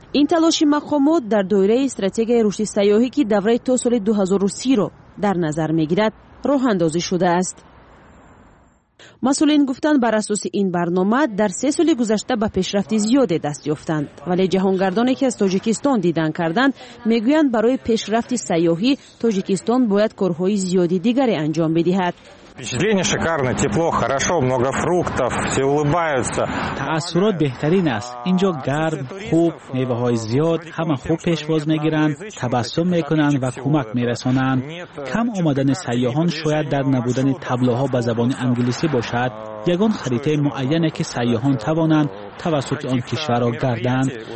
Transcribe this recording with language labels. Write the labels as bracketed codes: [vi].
[fa] این تلاش مقامات در دایره استراتژی رشد سیاحی که دوره تا سال 2030 را در نظر میگیرد راه اندازی شده است. مسئولین گفتند بر اساس این برنامه در 3 سال گذشته به پیشرفت زیاد دست یافتند، ولی جهانگردانی که از تاجیکستان دیدن کردند میگویند برای پیشرفت سیاحی تاجیکستان باید کارهای زیادی دیگری انجام بدهد. [ru] Впечатление шикарное, тепло, хорошо, много фруктов, все улыбаются. [tg] Таасурот беҳтарин аст. Инҷо гарм, хуб, меваҳои зиёд, ҳама хуб пешвоз мегиранд, табассум мекунанд ва кӯмак мерасонанд. Кам омадани сайёҳон шояд дар набудани таблоҳо ба забони англисӣ бошад. [fa] یگان خریطه معینه که سیاحان توانند توسط آن کشور را گردند.